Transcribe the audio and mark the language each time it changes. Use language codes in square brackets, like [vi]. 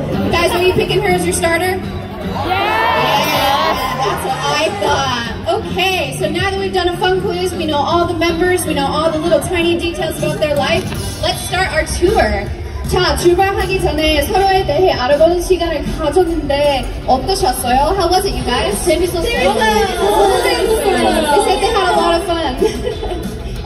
[en] Guys, are you picking her as your starter? Yeah! That's what I thought. Okay, so now that we've done a fun quiz, we know all the members, we know all the little tiny details about their life, let's start our tour. [ko] 자, 출발하기 전에 서로에 대해 알아보는 시간을 가졌는데 어떠셨어요? [en] How was it, you guys? [ko] 재밌었어요? 재밌었어요. [en] They said they had a lot of fun.